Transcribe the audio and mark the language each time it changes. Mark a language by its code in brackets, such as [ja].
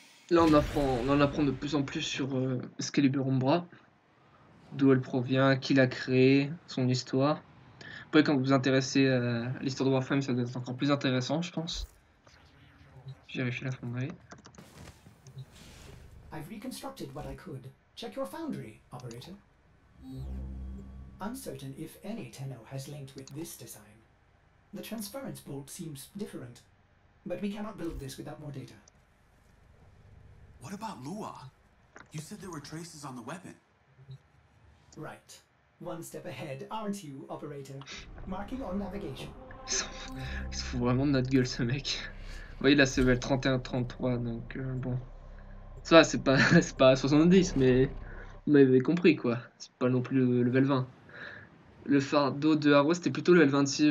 [fr] Là, on en apprend de plus en plus sur Excalibur Umbra, d'où elle provient, qui l'a créée, son histoire. Après, quand vous vous intéressez à l'histoire de Warframe, ça doit être encore plus intéressant, je pense. J'ai réussi à la fonderie. [en] I've reconstructed what I could. Check your foundry, operator. Uncertain if any Tenno has linked with this design. The transference bolt seems different, but we cannot build this without more data. What about Lua? You said there were traces on the weapon. Right. One step ahead, aren't you, operator? Marking on navigation. [fr] Il se fout vraiment de notre gueule, ce mec. Vous voyez, là, c'est 31-33, donc bon. Ça, c'est pas 70, mais vous m'avez compris, quoi. C'est pas non plus le level 20. Le fardeau de Haro, c'était plutôt le level 26.